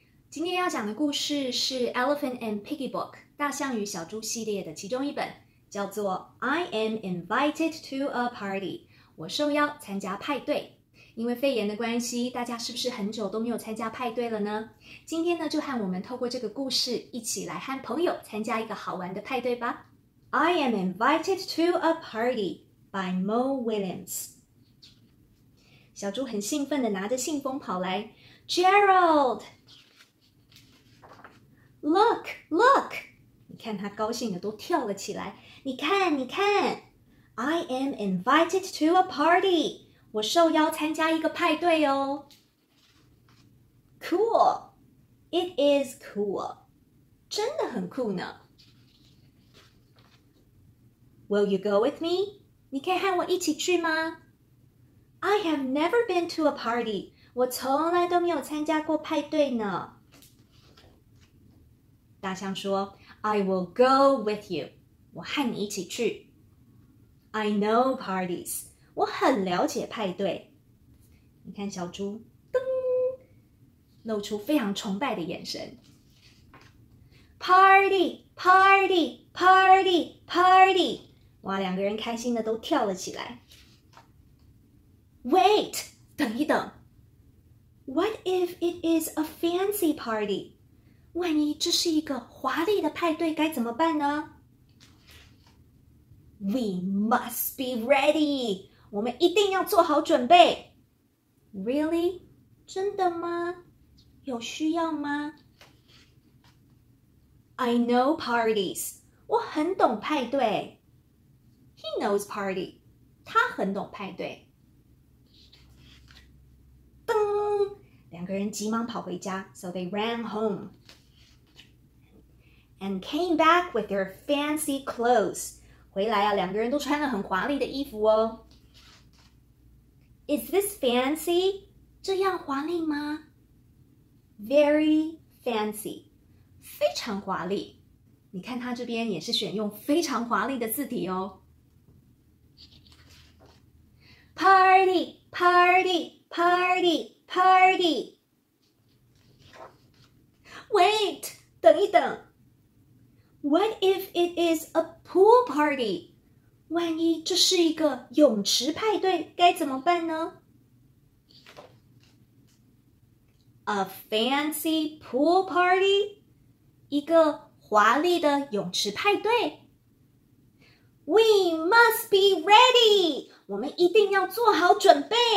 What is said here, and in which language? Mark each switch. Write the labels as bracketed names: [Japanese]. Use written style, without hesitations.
[Chinese] 今天要讲的故事是《Elephant and Piggy Book》大象与小猪系列的其中一本，叫做《I am invited to a party》，我受邀参加派对。因为肺炎的关系，大家是不是很久都没有参加派对了呢？今天呢，就和我们透过这个故事，一起来和朋友参加一个好玩的派对吧。 [English] I am invited to a party by Mo Williams. [Chinese] 小猪很兴奋地拿着信封跑来。 [English] Gerald! Look, look! [Chinese] 你看他高兴的都跳了起来。你看，你看。 [English] I am invited to a party. [Chinese] 我受邀参加一个派对哦。 [English] Cool. It is cool. [Chinese] 真的很酷呢。 [English] Will you go with me? [Chinese] 你可以和我一起去吗? [English] I have never been to a party. [Chinese] 我从来都没有参加过派对呢。大象说, [English] I will go with you. [Chinese] 我和你一起去。 [English] I know parties. [Chinese] 我很了解派对。你看小猪,噔,露出非常崇拜的眼神。 [English] Party! Party! Party! Party! [Chinese] 哇，两个人开心的都跳了起来。 [English] Wait, [Chinese] 等一等。 [English] What if it is a fancy party? [Chinese] 万一这是一个华丽的派对该怎么办呢? [English] We must be ready. [Chinese] 我们一定要做好准备。 [English] Really? [Chinese] 真的吗? 有需要吗? [English] I know parties. [Chinese] 我很懂派对。 [English] He knows party. [Chinese] 他很懂派对。噔，两个人急忙跑回家。 [English] So they ran home. And came back with their fancy clothes. [Chinese] 回来啊，两个人都穿了很华丽的衣服哦。 [English] Is this fancy? [Chinese] 这样华丽吗? [English] Very fancy. [Chinese] 非常华丽。你看他这边也是选用非常华丽的字体哦。 [English] Party, party, party, party. Wait, [Chinese] 等一等。 [English] What if it is a pool party? [Chinese] 万一这是一个泳池派对该怎么办呢? [English] A fancy pool party? [Chinese] 一个华丽的泳池派对。 [English] We must be ready! [Chinese] 我们一定要做好准备！